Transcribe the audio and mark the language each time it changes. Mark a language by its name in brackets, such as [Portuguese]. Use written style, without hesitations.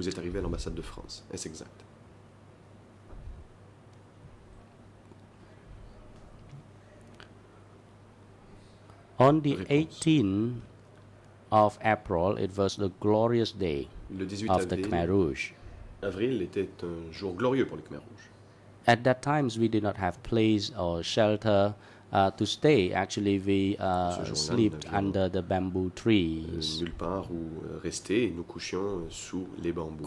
[French] Vous êtes arrivé à l'ambassade de France. Est-ce exact? [English] On the 18th of April, it was the glorious day of the Khmer Rouge. [French] Avril était un jour glorieux pour les Khmer Rouges. [English] At that time, we did not have place or shelter to stay. Actually, we slept under the bamboo trees. [French] Nulle part où rester, nous couchions sous les bambous.